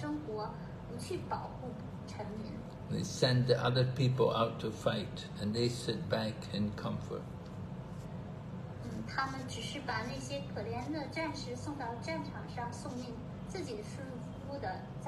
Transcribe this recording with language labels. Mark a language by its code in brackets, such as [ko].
[zh] 当代的这些领袖们，他们只是自己一味的过奢华的生活，不去保护臣民。 [en] They send the other people out to fight, and they sit back in comfort. [zh] 他们只是把那些可怜的战士送到战场上送命，自己舒服的。